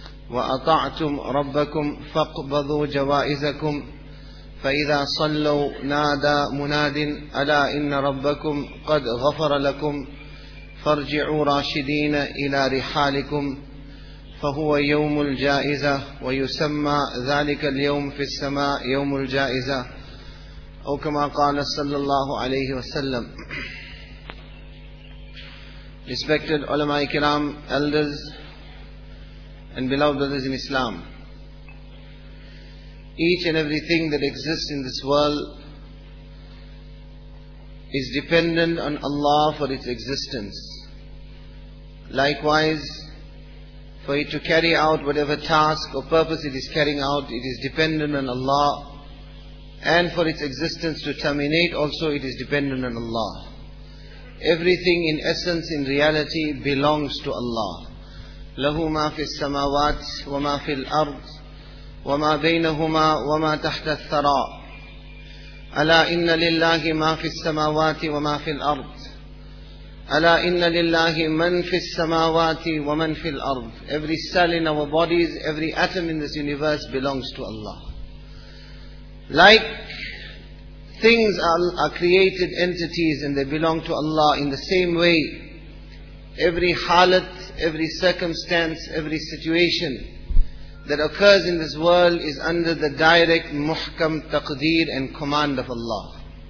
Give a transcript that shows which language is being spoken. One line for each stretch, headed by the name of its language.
Arabic: وأطعتم ربكم فاقبضوا جوائزكم فإذا صلوا نادى مناد ألا إن ربكم قد غفر لكم فارجعوا راشدين إلى رحالكم فهو يوم الجائزة ويسمى ذلك اليوم في السماء يوم الجائزة أو كما قال صلى الله عليه وسلم.
English: Respected
Arabic: علماء الكرام,
English: elders and beloved brothers in Islam, each and everything that exists in this world is dependent on Allah for its existence. Likewise, for it to carry out whatever task or purpose it is carrying out, it is dependent on Allah. And for its existence to terminate also, it is dependent on Allah. Everything in essence, in reality, belongs to Allah.
Arabic: لَهُ مَا فِي السَّمَاوَاتِ وَمَا فِي الْأَرْضِ وَمَا بَيْنَهُمَا وَمَا تَحْتَ الثَّرَى أَلَا إِنَّ لِلَّهِ مَا فِي السَّمَاوَاتِ وَمَا فِي الْأَرْضِ أَلَا إِنَّ لِلَّهِ مَنْ فِي السَّمَاوَاتِ وَمَنْ فِي الْأَرْضِ
English: Every cell in our bodies, every atom in this universe belongs to Allah. Like things are created entities and they belong to Allah, in the same way, every halat, every circumstance, every situation that occurs in this world is under the direct muhkam taqdeer and command of Allah.